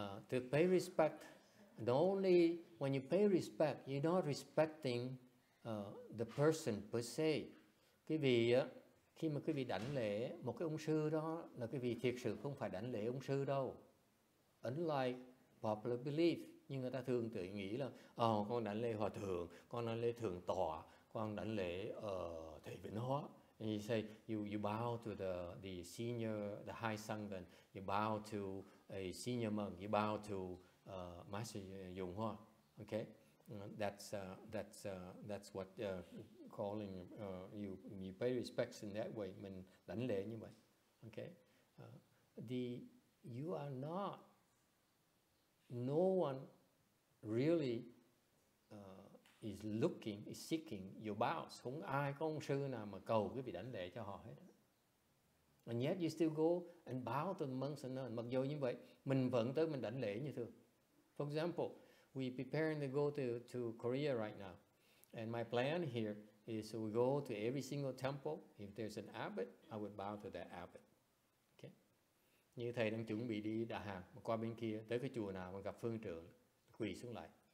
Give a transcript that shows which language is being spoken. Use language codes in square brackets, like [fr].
[en] To pay respect, the only, when you pay respect, you're not respecting the person per se. [vi] Quý vị, khi mà quý vị đảnh lễ một cái ông sư đó, là quý vị thiệt sự không phải đảnh lễ ông sư đâu. [en] Unlike popular belief, [vi] nhưng người ta thường tự nghĩ là con đảnh lễ hòa thượng, con đảnh lễ thượng tọa, con đảnh lễ thầy Vĩnh Hóa. [en] And you say you bow to the senior, the high sangha, you bow to a senior monk, you bow to Master YongHua. Okay, that's what calling you pay respects in that way. [vi] Mình đảnh lễ như vậy. [en] Okay, you are not. No one really is looking, is seeking your bows. [vi] Không ai có ông sư nào mà cầu cái vị đảnh lễ cho họ hết. [en] And yet you still go and bow to the monks and nuns. [vi] Mặc dù như vậy, mình vẫn tới mình đảnh lễ như thường. [en] For example, we preparing to go to Korea right now. And my plan here is we go to every single temple. If there's an abbot, I would bow to that abbot. [vi] Như thầy đang chuẩn bị đi Đà Hàn qua bên kia, tới cái chùa nào mà gặp phương trưởng, quỳ xuống lại.